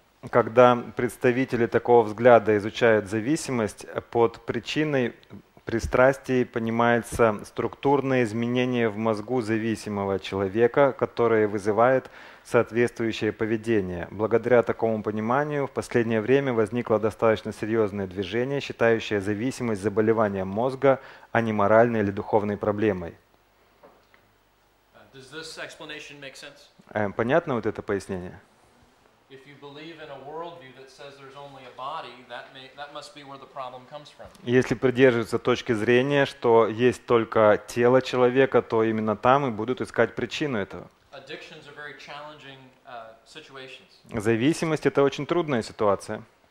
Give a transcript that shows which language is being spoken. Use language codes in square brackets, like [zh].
[ru] Когда представители такого взгляда изучают зависимость, под причиной пристрастий понимается структурное изменение в мозгу зависимого человека, которое вызывает соответствующее поведение. Благодаря такому пониманию в последнее время возникло достаточно серьезное движение, считающее зависимость заболеванием мозга, а не моральной или духовной проблемой. [en] Does this explanation make sense? [ru] Понятно вот это пояснение? [en] If you believe in a worldview that says there's only a body, that must be where the problem comes from. [ru] Если придерживаться точки зрения, что есть только тело человека, то именно там и будут искать причину этого. [en] Addictions are very challenging situations. [ru] Зависимость — это очень трудная ситуация.